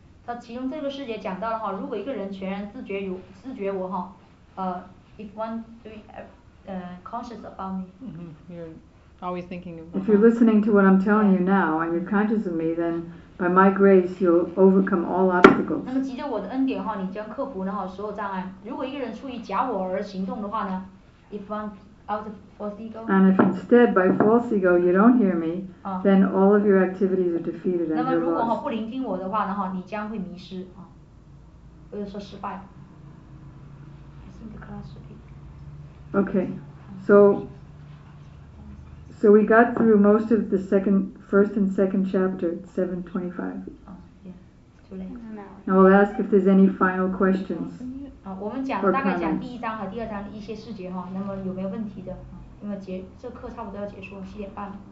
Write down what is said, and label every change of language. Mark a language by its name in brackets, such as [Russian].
[Chinese] 那其中这个师姐讲到了如果一个人全然自觉我 [English] if one doing conscious about me. Mm-hmm. You're always thinking of. If you're listening to what I'm telling you now and you're conscious of me, then by my grace, you'll overcome all obstacles. [Chinese] 那么藉着我的恩典你将克服所有障碍。如果一个人出于假我而行动的话呢 ？ [English] If one out of false ego. And if instead by false ego you don't hear me, then all of your activities are defeated and you're lost. [Chinese] 那么如果不聆听我的话你将会迷失或者说失败。 [English] Okay, so we got through most of the first and second chapter, 7:25. Too late. Now we'll ask if there's any final questions. [Chinese] 我们讲大概讲第一章和第二章的一些细节那么有没有问题的？因为这课差不多要结束了，7:30。